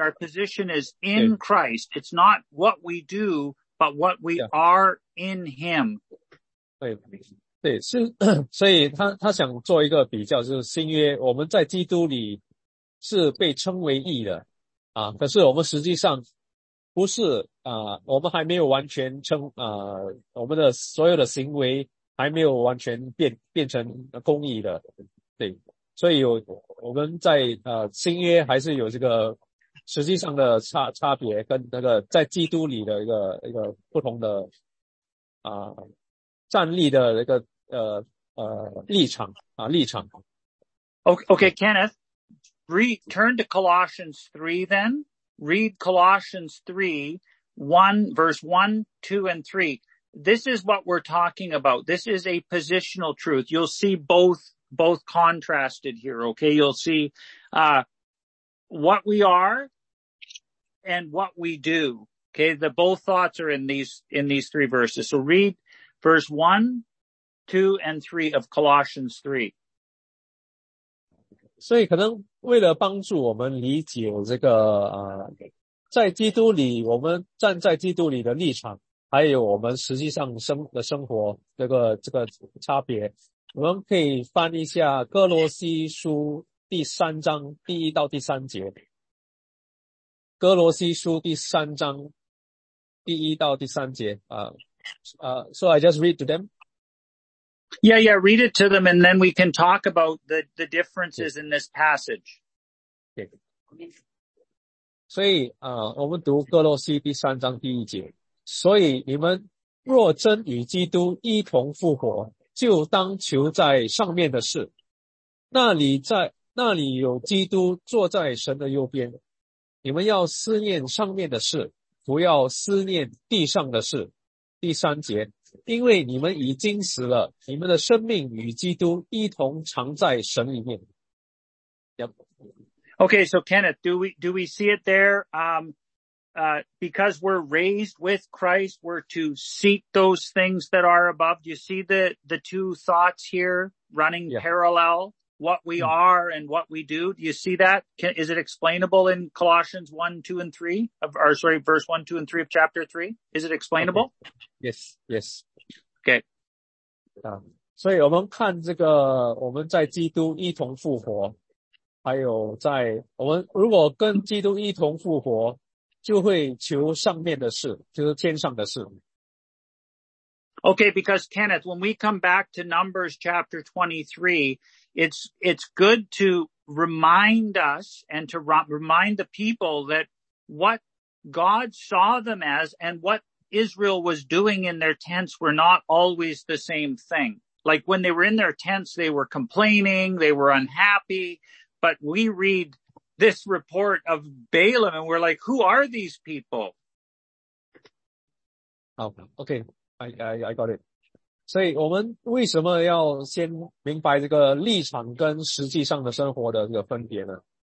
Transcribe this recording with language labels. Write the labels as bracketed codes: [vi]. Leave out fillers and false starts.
[en] Our position is in Christ. It's not what we do, but what we are in Him. [zh] 对，是，所以他想做一个比较，就是新约，我们在基督里是被称为义的，可是我们实际上不是，我们还没有完全称，我们的所有的行为还没有完全变成公义的，对，所以我们在新约还是有这个实际上的差别跟那个在基督里的一个不同的站立的一个立场。 [en] Okay, Kenneth, turn to Colossians 3 then. Read Colossians 3, 1, verse 1, 2, and 3. This is what we're talking about. This is a positional truth. You'll see both contrasted here, okay? You'll see, what we are and what we do. Okay, the both thoughts are in these three verses. So read verse 1, 2, and 3 of Colossians 3. [zh] 所以可能为了帮助我们理解这个在基督里我们站在基督里的立场还有我们实际上生活这个差别我们可以翻一下哥罗西书第三章第一到第三节哥罗西书第三章第一到第三节 [en] So I just read to them. Yeah, read it to them and then we can talk about the differences in this passage. Okay. [zh] 所以我们读哥罗西第三章第一节。所以你们若真与基督一同复活就当求在上面的事。那里有基督坐在神的右边。你们要思念上面的事不要思念地上的事。第三节，因为你们已经死了，你们的生命与基督一同藏在神里面。 [en] Yep. Okay, so Kenneth, do we see it there? Because we're raised with Christ, we're to seek those things that are above. Do you see the two thoughts here running parallel? What we are and what we do. Do you see that? Is it explainable in Colossians 1, 2, and 3? Verse 1, 2, and 3 of chapter 3? Is it explainable? Okay. Yes, yes. Okay. [zh] 所以我们看这个我们在基督一同复活还有在我们如果跟基督一同复活就会求上面的事就是天上的事。 [en] Okay, because Kenneth, when we come back to Numbers chapter 23, it's good to remind us and to remind the people that what God saw them as and what Israel was doing in their tents were not always the same thing. Like when they were in their tents, they were complaining, they were unhappy. But we read this report of Balaam and we're like, who are these people? Okay, I got it. [zh] 所以我们为什么要先明白这个立场跟实际上的生活的这个分别呢？